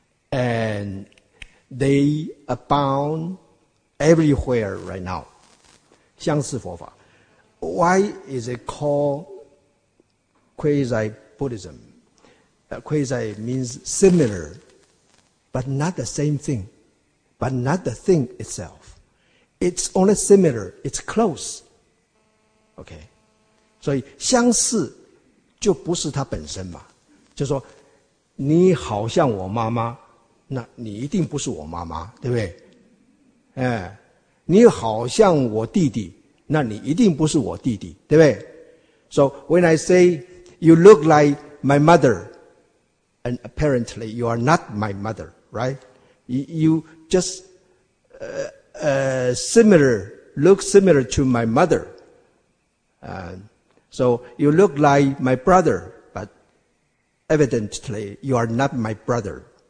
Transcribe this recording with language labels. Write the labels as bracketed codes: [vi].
[en] And they abound everywhere right now. [zh] 相似佛法。 [en] Why is it called quasi-Buddhism? Quasi means similar, but not the same thing, but not the thing itself. It's only similar, it's close. Okay. [zh] 所以相似就不是它本身嘛。就说你好像我妈妈，那你一定不是我妈妈，对不对？你好像我弟弟，那你一定不是我弟弟，对不对？ [en] So when I say you look like my mother, and apparently you are not my mother, right? You just look similar to my mother. So you look like my brother, but evidently you are not my brother.